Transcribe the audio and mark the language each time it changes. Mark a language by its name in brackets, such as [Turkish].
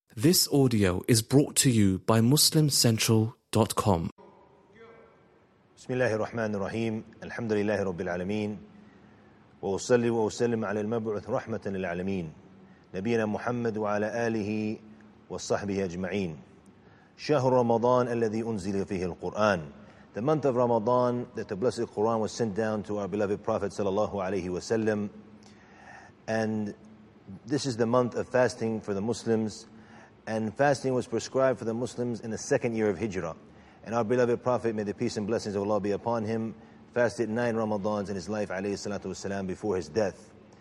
[English] This audio is brought to you by MuslimCentral.com. [Arabic] بسم الله الرحمن الرحيم الحمد لله رب العالمين وأصلي وأسلم على المبعوث رحمة للعالمين نبينا محمد وعلى آله وصحبه أجمعين شهر رمضان الذي أنزل فيه القرآن. [English] The month of Ramadan that the blessed Quran was sent down to our beloved Prophet sallallahu alayhi wa sallam. And this is the month of fasting for the Muslims. And fasting was prescribed for the Muslims in the second year of Hijrah. And our beloved Prophet, may the peace and blessings of Allah be upon him, fasted 9 Ramadans in his life, alayhi salatu wasalam, before his death.